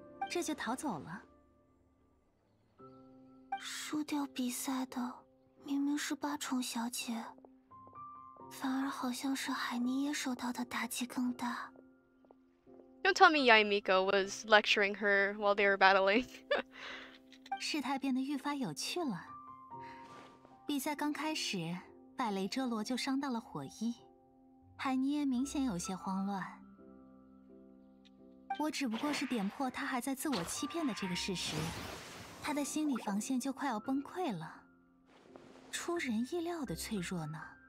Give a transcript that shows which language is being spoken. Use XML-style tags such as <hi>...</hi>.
<zh>这就逃走了。输掉比赛的明明是八重小姐，反而好像是海尼耶受到的打击更大。</zh> <en>Don't tell me Yaimiko was lecturing her while they were battling.</en> <zh>事态变得愈发有趣了。比赛刚开始，百雷遮罗就伤到了火衣，海尼耶明显有些慌乱。我只不过是点破他还在自我欺骗的这个事实，他的心理防线就快要崩溃了，出人意料的脆弱呢。</zh>